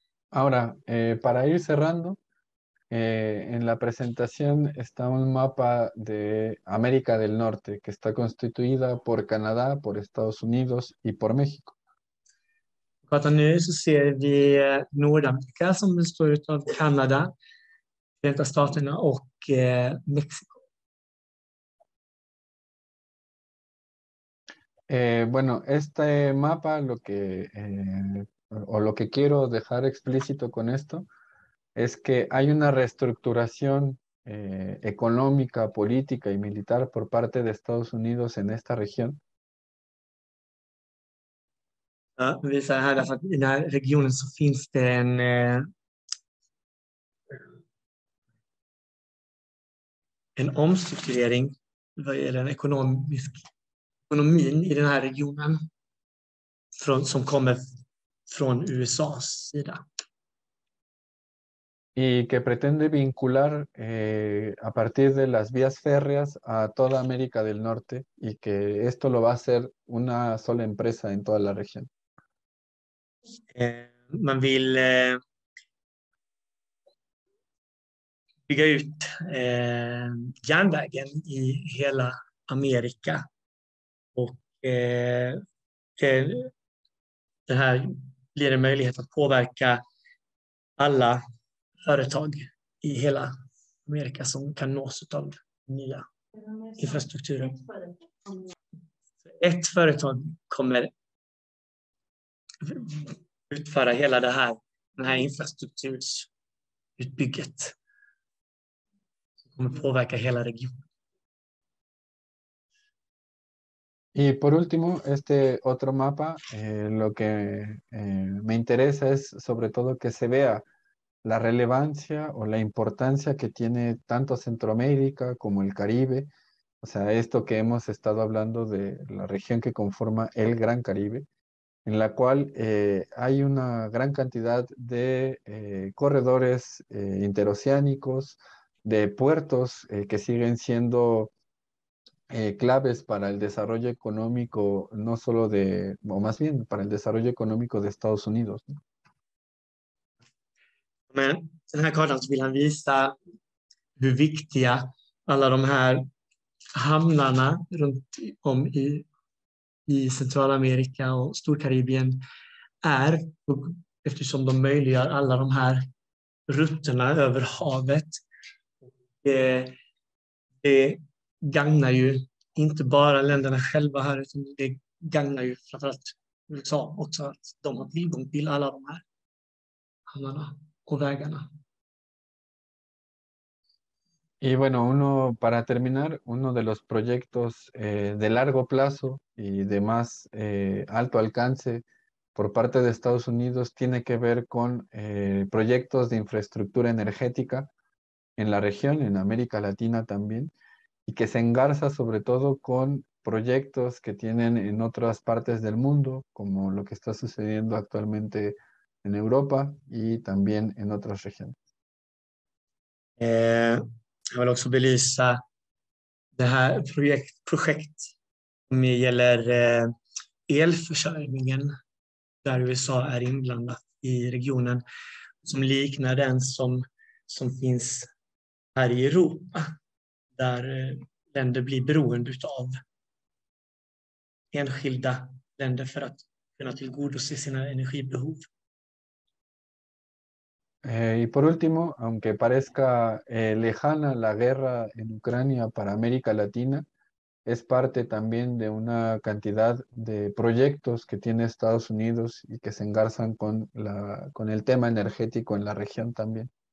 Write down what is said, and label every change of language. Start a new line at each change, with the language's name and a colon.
Spanish: Ahora, para ir cerrando, en la presentación está un mapa de América del Norte que está constituida por Canadá, por Estados Unidos y por México.
Swedish: Pratar nu så ser vi Nordamerika som består av Kanada, Förenta staterna och Mexiko.
Spanish: Bueno, este mapa lo que o lo que quiero dejar explícito con esto es que hay una reestructuración económica, política y militar por parte de Estados Unidos en esta región.
Swedish: Ja, vi visar här att i den här regionen så finns det en omstrukturering vad gäller den ekonomin i den här regionen från, som kommer från USA:s sida.
Spanish: y que pretende vincular a partir de las vías férreas a toda América del Norte y que esto lo va a hacer una sola empresa en toda la región.
Swedish: Man vill bygga ut järnvägen i hela Amerika och det här blir en möjlighet att påverka alla företag i hela Amerika som kan nås av nya infrastrukturer. Ett företag kommer utföra hela det här, den här infrastruktursutbygget som kommer påverka hela regionen.
Spanish: Y por último, este otro mapa, lo que me interesa es sobre todo que se vea la relevancia o la importancia que tiene tanto Centroamérica como el Caribe, o sea, esto que hemos estado hablando de la región que conforma el Gran Caribe, en la cual hay una gran cantidad de corredores interoceánicos, de puertos que siguen siendo claves para el desarrollo económico, no solo de, o más bien, para el desarrollo económico de Estados Unidos.
Swedish: Men den här kartan så vill han visa hur viktiga alla de här hamnarna runt om i Centralamerika och Storkaribien är och eftersom de möjliggör alla de här rutterna över havet. Det gagnar ju inte bara länderna själva här utan det gagnar ju framförallt USA också att de har tillgång till alla de här hamnarna.
Spanish: Y bueno, uno para terminar, uno de los proyectos de largo plazo y de más alto alcance por parte de Estados Unidos tiene que ver con proyectos de infraestructura energética en la región, en América Latina también, y que se engarza sobre todo con proyectos que tienen en otras partes del mundo, como lo que está sucediendo actualmente en Europa y también en otras regiones.
Swedish: Jag vill också belysa det här projekt som gäller elförsörjningen där USA är inblandat i regionen som liknar den som finns här i Europa där länder blir beroende av enskilda länder för att kunna tillgodose sina energibehov.
Spanish: Y por último, aunque parezca lejana la guerra en Ucrania para América Latina, es parte también de una cantidad de proyectos que tiene Estados Unidos y que se engarzan con el tema energético en la región también.